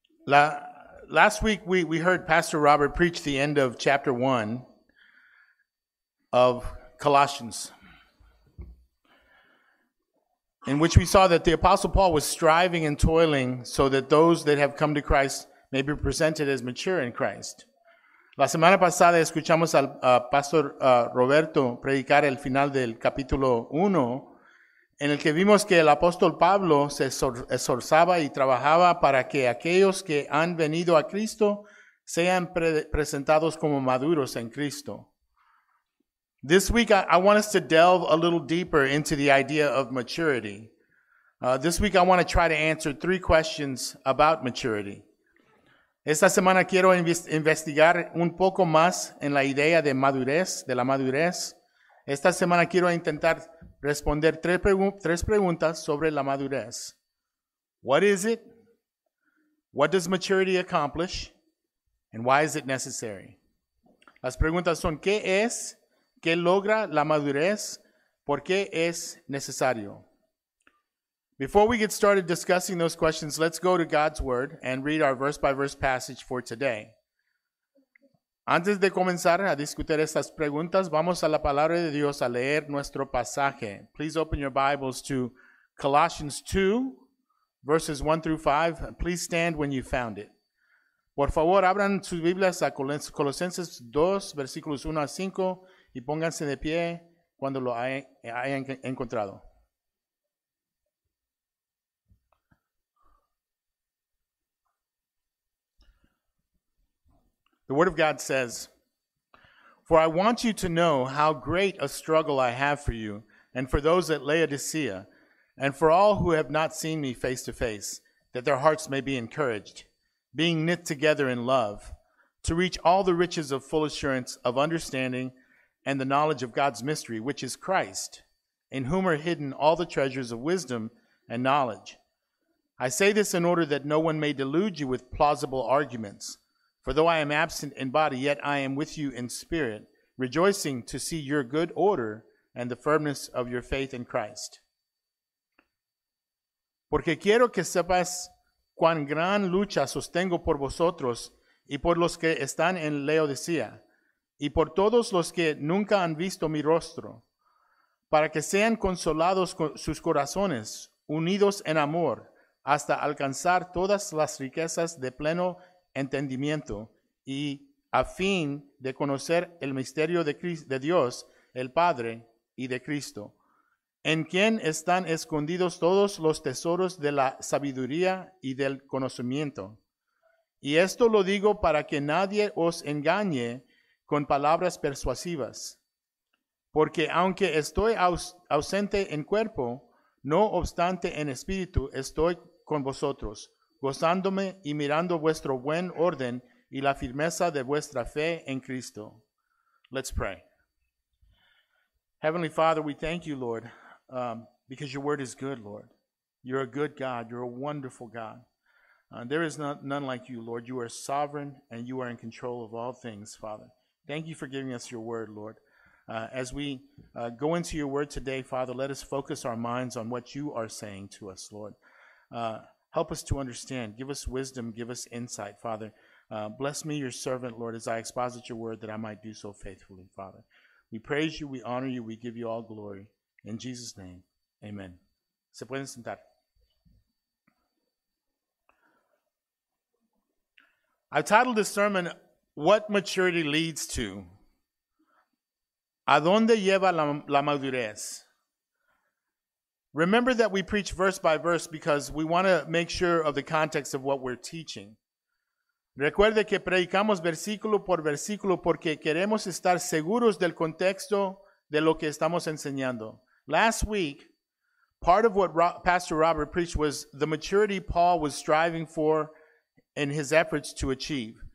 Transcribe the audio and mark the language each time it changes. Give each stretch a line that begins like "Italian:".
English: Last week, we heard Pastor Robert preach the end of chapter 1 of Colossians, in which we saw that the Apostle Paul was striving and toiling so that those that have come to Christ may be presented as mature in Christ.
Spanish: La semana pasada escuchamos al Pastor Roberto predicar el final del capítulo 1, en el que vimos que el apóstol Pablo se esforzaba y trabajaba para que aquellos que han venido a Cristo sean presentados como maduros en Cristo.
English: This week, I want us to delve a little deeper into the idea of maturity. This week, I want to try to answer three questions about maturity.
Spanish: Esta semana quiero investigar un poco más en la idea de madurez, de la madurez. Esta semana quiero intentar responder tres preguntas sobre la madurez.
English: What is it? What does maturity accomplish? And why is it necessary?
Spanish: Las preguntas son, ¿qué es? ¿Qué logra la madurez? ¿Por qué es necesario?
English: Before we get started discussing those questions, let's go to God's Word and read our verse-by-verse passage for today.
Spanish: Antes de comenzar a discutir estas preguntas, vamos a la Palabra de Dios a leer nuestro pasaje.
English: Please open your Bibles to Colossians 2, verses 1 through 5. Please stand when you found it.
Spanish: Por favor, abran sus Biblias a Colosenses 2, versículos 1 a 5, y pónganse de pie cuando lo hayan encontrado.
English: The Word of God says, "For I want you to know how great a struggle I have for you and for those at Laodicea and for all who have not seen me face to face, that their hearts may be encouraged, being knit together in love, to reach all the riches of full assurance of understanding and the knowledge of God's mystery, which is Christ, in whom are hidden all the treasures of wisdom and knowledge. I say this in order that no one may delude you with plausible arguments. For though I am absent in body, yet I am with you in spirit, rejoicing to see your good order and the firmness of your faith in Christ.
Spanish: Porque quiero que sepas cuán gran lucha sostengo por vosotros y por los que están en Laodicea, y por todos los que nunca han visto mi rostro, para que sean consolados sus corazones, unidos en amor, hasta alcanzar todas las riquezas de pleno entendimiento y a fin de conocer el misterio de Dios, el Padre y de Cristo, en quien están escondidos todos los tesoros de la sabiduría y del conocimiento. Y esto lo digo para que nadie os engañe con palabras persuasivas, porque aunque estoy ausente en cuerpo, no obstante en espíritu estoy con vosotros, gozándome y mirando vuestro buen orden y la firmeza de vuestra fe en Cristo."
English: Let's pray. Heavenly Father, we thank you, Lord, because your word is good, Lord. You're a good God. You're a wonderful God. There is none like you, Lord. You are sovereign and you are in control of all things, Father. Thank you for giving us your word, Lord. As we go into your word today, Father, let us focus our minds on what you are saying to us, Lord. Help us to understand. Give us wisdom. Give us insight, Father. Bless me, your servant, Lord, as I exposit your word that I might do so faithfully, Father. We praise you. We honor you. We give you all glory. In Jesus' name, amen.
Spanish: Se pueden sentar.
English: I've titled this sermon, What Maturity Leads To.
Spanish: ¿A dónde lleva la madurez?
English: Remember that we preach verse by verse because we want to make sure of the context of what we're teaching.
Spanish: Recuerde que predicamos versículo por versículo porque queremos estar seguros del contexto de lo que estamos enseñando.
English: Last week, part of what Pastor Robert preached was the maturity Paul was striving for in his efforts to achieve.